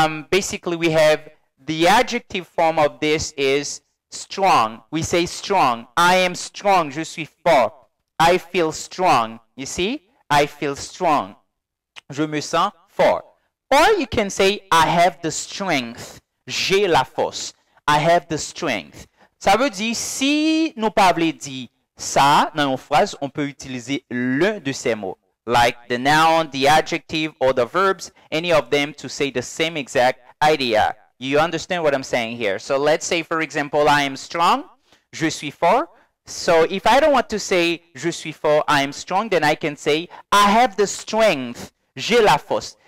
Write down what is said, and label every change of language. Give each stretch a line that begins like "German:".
English: Basically, we have the adjective form of this is strong. We say strong. I am strong.
French: Je suis fort.
English: I feel strong. You see? I feel strong.
French: Je me sens fort.
English: Or you can say, I have the strength.
French: J'ai la force.
English: I have the strength.
French: Ça veut dire, si nous parlons de ça, dans une phrase, on peut utiliser l'un de ces mots.
English: Like the noun, the adjective, or the verbs, any of them to say the same exact idea. You understand what I'm saying here? So let's say, for example, I am strong,
French: je suis fort.
English: So if I don't want to say
French: je suis fort,
English: I am strong, then I can say I have the strength,
French: j'ai la force.